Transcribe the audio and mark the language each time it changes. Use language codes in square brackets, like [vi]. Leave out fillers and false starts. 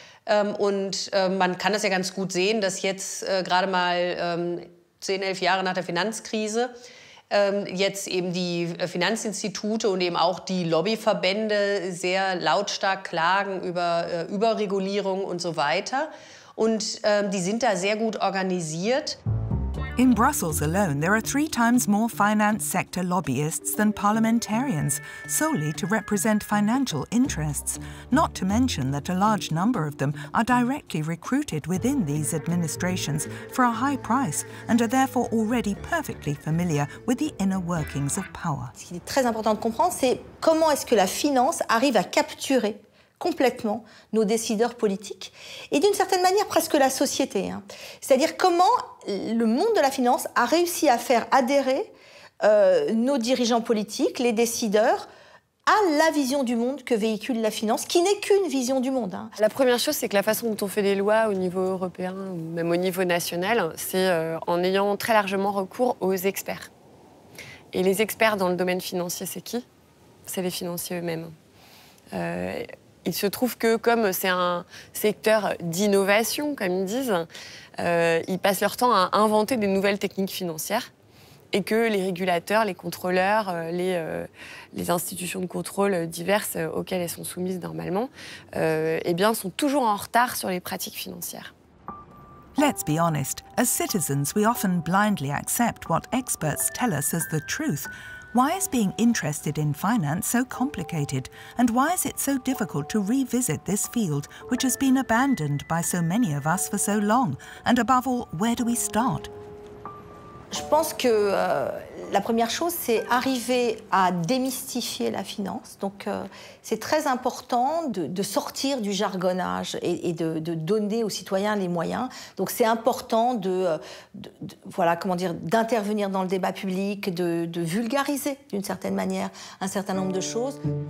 [de] Man kann das ja ganz gut sehen, dass jetzt gerade mal 10, 11 Jahre nach der Finanzkrise jetzt eben die Finanzinstitute und eben auch die Lobbyverbände sehr lautstark klagen über Überregulierung und so weiter. Und die sind da sehr gut organisiert. [en] In Brussels alone, there are 3 times more finance sector lobbyists than parliamentarians, solely to represent financial interests, not to mention that a large number of them are directly recruited within these administrations for a high price and are therefore already perfectly familiar with the inner workings of power. [fr] Ce qui est très important de comprendre, c'est comment est-ce que la finance arrive à capturer complètement nos décideurs politiques et d'une certaine manière presque la société. C'est-à-dire comment le monde de la finance a réussi à faire adhérer nos dirigeants politiques, les décideurs, à la vision du monde que véhicule la finance, qui n'est qu'une vision du monde. La première chose, c'est que la façon dont on fait les lois au niveau européen, ou même au niveau national, c'est en ayant très largement recours aux experts. Et les experts dans le domaine financier, c'est qui? C'est les financiers eux-mêmes. Il se trouve que comme c'est un secteur d'innovation, comme ils disent, ils passent leur temps à inventer des nouvelles techniques financières et que les régulateurs, les contrôleurs, les institutions de contrôle diverses auxquelles elles sont soumises normalement, sont toujours en retard sur les pratiques financières. [en] Let's be honest, as citizens, we often blindly accept what experts tell us as the truth. Why is being interested in finance so complicated? And why is it so difficult to revisit this field, which has been abandoned by so many of us for so long? And above all, where do we start? [fr] Je pense que la première chose, c'est arriver à démystifier la finance. Donc, c'est très important de sortir du jargonnage et de donner aux citoyens les moyens. Donc, c'est important d'intervenir dans le débat public, de vulgariser d'une certaine manière un certain nombre de choses.